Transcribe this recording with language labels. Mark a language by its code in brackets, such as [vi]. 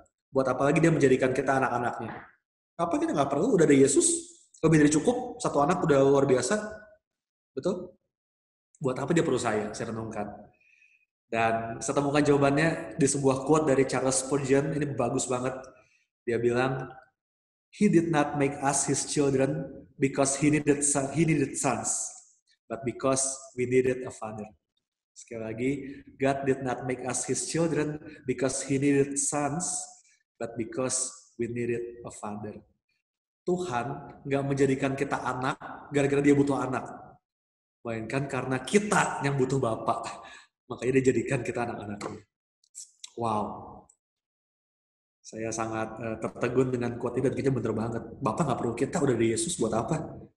[id] Buat apa lagi dia menjadikan kita anak-anaknya? Apa kita gak perlu? Udah ada Yesus? Lebih dari cukup? Satu anak udah luar biasa? Betul? Buat apa dia perlu saya renungkan. Dan saya temukan jawabannya di sebuah quote dari Charles Spurgeon, ini bagus banget. Dia bilang, [en] He did not make us his children because he needed sons, but because we needed a father. [id] Sekali lagi, [en] God did not make us his children because he needed sons, but because we needed a father. [id] Tuhan gak menjadikan kita anak gara-gara dia butuh anak. Melainkan karena kita yang butuh Bapa. Makanya dia jadikan kita anak-anaknya. Wow. Saya sangat tertegun dengan kuat ini dan kayaknya bener banget. Bapak gak perlu kita, udah ada Yesus buat apa.